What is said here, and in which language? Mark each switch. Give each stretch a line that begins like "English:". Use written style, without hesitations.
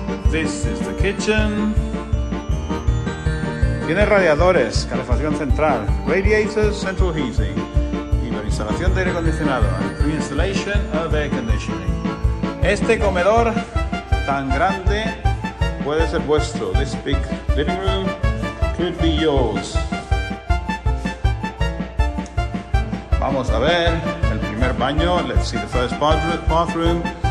English: This is the kitchen.
Spanish: Tiene radiadores, calefacción central,
English: radiators, central heating.
Spanish: Instalación de aire acondicionado,
English: pre-installation of air conditioning.
Spanish: Este comedor tan grande puede ser vuestro.
English: This big living room could be yours.
Spanish: Vamos a ver el primer baño.
English: Let's see the first bathroom.